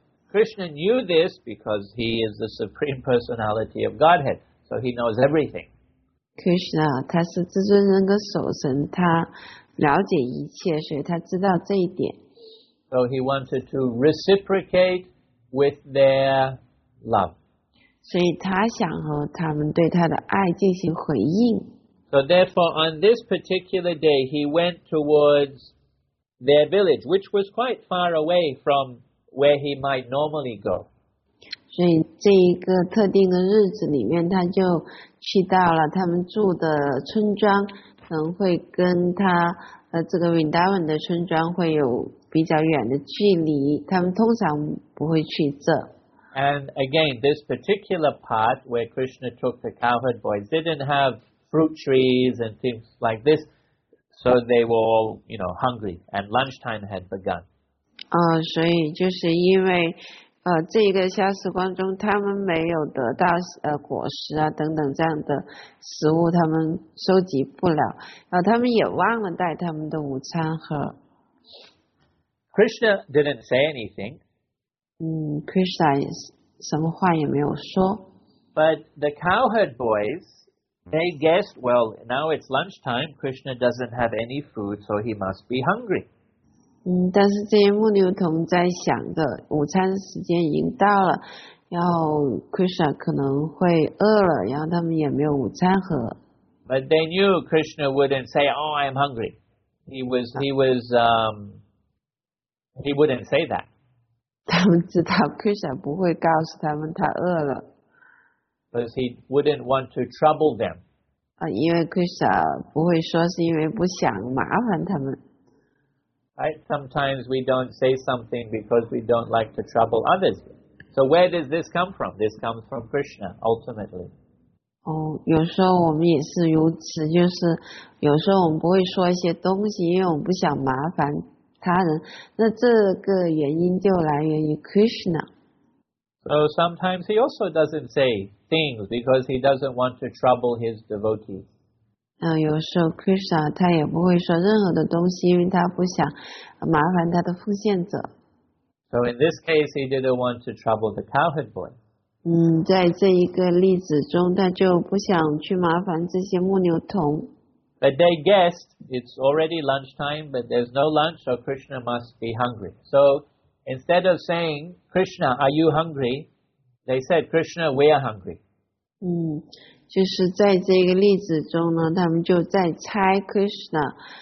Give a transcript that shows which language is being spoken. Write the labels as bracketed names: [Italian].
[English] Krishna knew this because he is the Supreme Personality of Godhead, so he knows everything. [Chinese] Krishna, 他是至尊人格首神，他了解一切，所以他知道这一点。 [English] So he wanted to reciprocate with their love. [Chinese] 所以他想和他们对他的爱进行回应。 [English] So therefore, on this particular day, he went towards their village, which was quite far away from where he might normally go. [Chinese] 所以这一个特定的日子里面，他就去到了他们住的村庄，可能会跟他这个 Vrindavan 的村庄会有比较远的距离，他们通常不会去这。 [English] And again, this particular part where Krishna took the cowherd boys didn't have fruit trees and things like this, so they were all, you know, hungry, and lunchtime had begun. [Chinese] 所以就是因为这个消失观中他们没有得到果实啊等等这样的食物，他们收集不了，他们也忘了带他们的午餐盒。 [English] Krishna didn't say anything. [Chinese] Krishna 什么话也没有说。 [English] But the cowherd boys,they guessed, well, now it's lunchtime, Krishna doesn't have any food, so he must be hungry. [Chinese] 但是这些牧牛童在想着午餐时间已经到了，然后 Krishna 可能会饿了，然后他们也没有午餐盒。 [English] But they knew Krishna wouldn't say, oh, I'm hungry. He wouldn't say that. [Chinese] 他们知道 Krishna 不会告诉他们他饿了。 [English] Because he wouldn't want to trouble them. [Chinese] 因为 Krishna 不会说是因为不想麻烦他们。 [English] Right? Sometimes we don't say something because we don't like to trouble others. So where does this come from? This comes from Krishna, ultimately. [Chinese] 有时候我们也是如此，就是有时候我们不会说一些东西，因为我们不想麻烦他人。那这个原因就来源于 Krishna。 [English] So sometimes he also doesn't say things because he doesn't want to trouble his devotees. [Chinese] 有时候 Krishna 他也不会说任何的东西，因为他不想麻烦他的奉献者。 [English] So in this case, he didn't want to trouble the cowherd boy. [Chinese] 在这一个例子中，他就不想去麻烦这些牧牛童。 [English] But they guessed it's already lunchtime, but there's no lunch, so Krishna must be hungry. So. Instead of saying, Krishna, are you hungry? They said, Krishna, we are hungry. [Chinese] 就是在这个例子中呢，他们就在猜 Krishna,